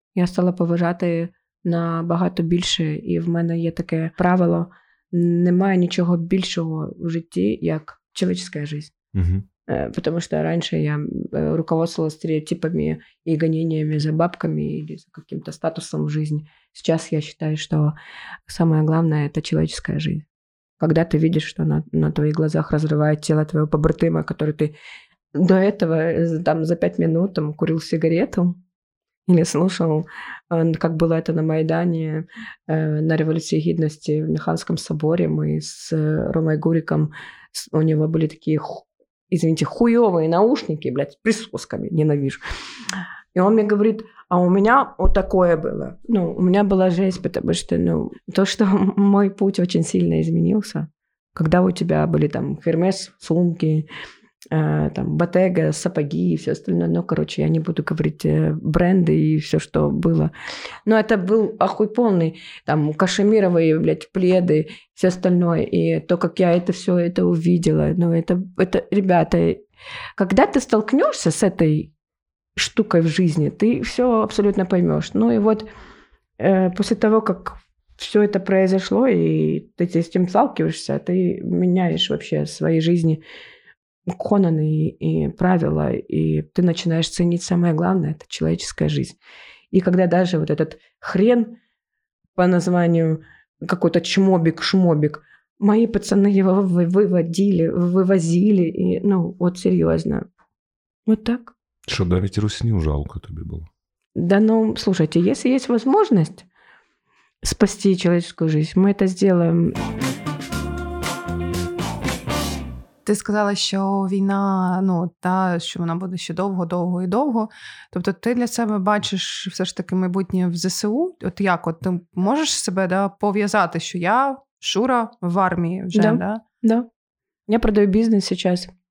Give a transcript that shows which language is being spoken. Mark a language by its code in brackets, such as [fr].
[uk] Я стала поважати набагато більше, і в мене є таке правило, немає нічого більшого в житті, як чоловіча життя. Угу. Тому що раніше я руководствувала стереотипами і гоненнями за бабками, і [ru] за каким-то [uk] статусом в житті. [ru] Сейчас я считаю, что самое главное – это человеческая жизнь. Когда ты видишь, что на твоих глазах разрывает тело твоего побратыма, который ты до этого там, за 5 минут там, курил сигарету или слушал, как было это на Майдане, на Революции Гидности в Механском соборе. Мы с Ромой Гуриком, у него были такие, извините, хуёвые наушники, блядь, с присосками, ненавижу. И он мне говорит, а у меня вот такое было. Ну, у меня была жесть, потому что, ну, то, что мой путь очень сильно изменился. Когда у тебя были там Hermes, сумки, там, Bottega, сапоги и все остальное. Ну, короче, я не буду говорить бренды и все, что было. Но это был охуй полный. Там, кашемировые, блядь, пледы, все остальное. И то, как я это все это увидела. Ну, это, ребята, когда ты столкнешься с этой штукой в жизни, ты все абсолютно поймешь. Ну, и вот после того, как все это произошло, и ты с этим сталкиваешься, ты меняешь вообще свои жизни кононы и правила, и ты начинаешь ценить самое главное – это человеческая жизнь. И когда даже вот этот хрен по названию какой-то чмобик, шмобик, мои пацаны его выводили, вывозили, и, ну, вот серьезно. Вот так. Что, да ведь Русню жалко тебе было. Да, ну, слушайте, если есть возможность спасти человеческую жизнь, мы это сделаем. [uk] Ти сказала, що війна, ну, та, що вона буде ще довго, довго і довго. Тобто ти для себе бачиш все ж таки майбутнє в ЗСУ? От як? От ти можеш себе, да, пов'язати, що я, Шура, в армії вже, да? Да, да. Я продаю бізнес зараз.